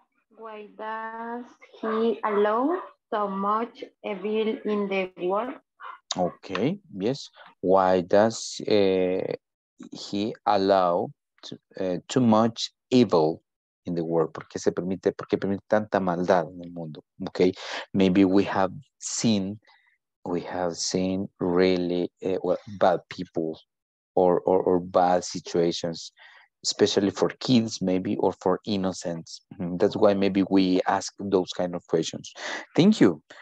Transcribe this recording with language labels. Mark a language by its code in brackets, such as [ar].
[en] Why does he allow so much evil in the world? Okay, yes. Why does he allow too much evil in the world? [es] ¿Por qué permite tanta maldad en el mundo? [en] Okay, maybe we have seen really bad people or bad situations, especially for kids maybe, or for innocents. That's why maybe we ask those kind of questions. Thank you.